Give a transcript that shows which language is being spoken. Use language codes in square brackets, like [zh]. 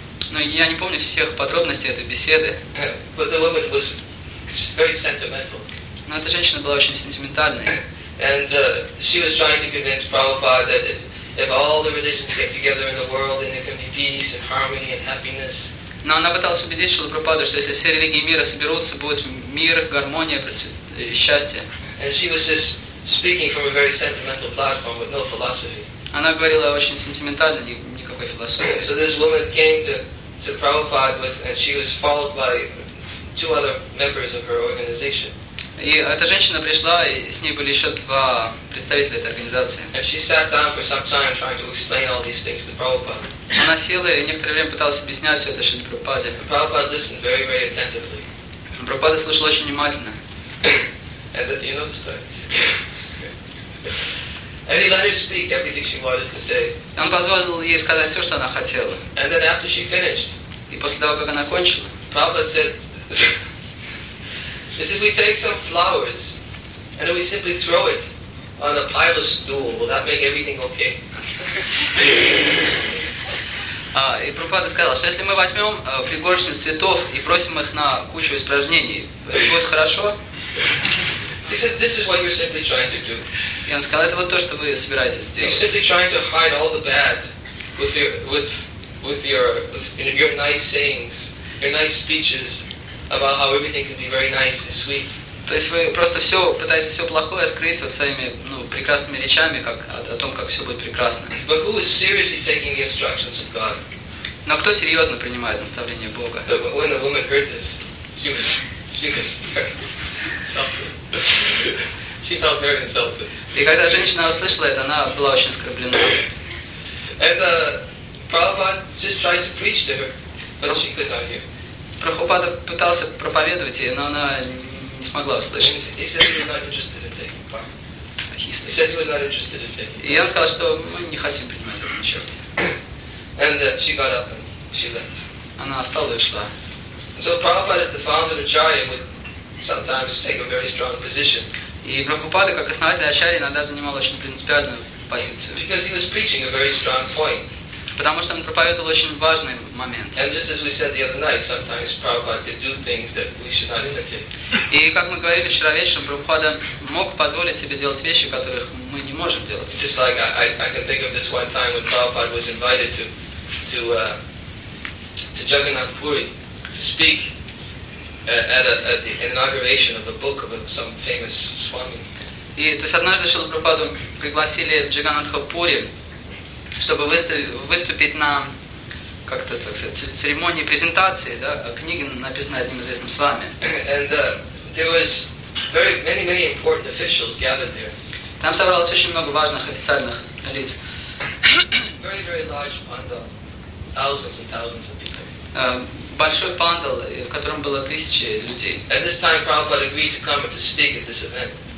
[ru] Я не помню всех подробностей этой беседы. Но эта женщина была очень сентиментальной. [en] And she was trying to convince Prabhupada that if all the religions get together in the world, then there can be peace and harmony and happiness. [ru] Но она пыталась убедить Шрилу Прабхупаду, что если все религии мира соберутся, будет мир, гармония, счастье. [en] And she was just speaking from a very sentimental platform with no philosophy. [ru] Она говорила очень сентиментально, никакой философии. [en] So this woman came to Prabhupada with, and she was followed by two other members of her organization. [ru] И эта женщина пришла, и с ней были еще два представителя этой организации. [en] And she sat down for some time trying to explain all these things to Prabhupada. [ru] Она села и некоторое время пыталась объяснять все это Шриле Прабхупаде. [en] Prabhupada listened very, very attentively. [ru] Прабхупада слушал очень внимательно. [en] And you know the story. And he let her speak everything she wanted to say. [ru] Он позволил ей сказать все, что она хотела. [en] And then after she finished. [ru] И после того, как она кончила. [en] Prabhupada said, is if we take some flowers and we simply throw it on a pile of stool, will that make everything okay? [ru] И Прабхупада сказал, что если мы возьмем пригоршню цветов и бросим их на кучу испражнений, будет хорошо? [en] He said, this is what you're simply trying to do. [ru] И он сказал, это вот то, что вы собираетесь сделать. [en] You're simply trying to hide all the bad with your nice sayings, your nice speeches about how everything can be very nice and sweet. [ru] То есть вы просто все пытаетесь все плохое скрыть вот своими прекрасными речами, как о том, как все будет прекрасно. [en] But who is seriously taking the instructions of God? [ru] Но кто серьезно принимает наставления Бога? [en] When the woman heard this, she was very insulted. She felt very insulted. [ru] И когда женщина услышала это, она была очень оскорблена. [en] And Prabhupada just tried to preach to her, but she could not hear. [ru] Прабхупада пытался проповедовать ей, но она не смогла услышать. [en] He said he was not interested in taking part. He said he was not interested in taking part. [ru] И он сказал, что мы не хотим принимать это участие. [en] And she got up and she left. [ru] Она встала и ушла. [en] So Prabhupada as the founder of Acharya would sometimes take a very strong position. [ru] И Прабхупада, как основатель Ачарьи, иногда занимал очень принципиальную позицию. [en] Because he was preaching a very strong point. [ru] Потому что он проповедовал очень важный момент. [en] And just as we said the other night, sometimes Prabhupada could do things that we should not imitate. [ru] И как мы говорили вчера вечером, Прабхупада мог позволить себе делать вещи, которых мы не можем делать. [en] Just like I can think of this one time when Prabhupada was invited to Jagannath Puri to speak at the inauguration of a book of some famous swami. [ru] И то есть однажды Шрилу Прабхупаду пригласили в Джаганнатха Пури, чтобы выступить на как-то так сказать церемонии презентации, да, книги, написанной одним известным свами. [en] And there was very many, many important officials gathered there. [ru] Там собралось очень много важных официальных лиц. [en] Very, very large pandal, thousands and thousands of people. [ru] Большой пандал, в котором было тысячи людей. [en] At this time Prabhupada agreed to come and to speak at this event.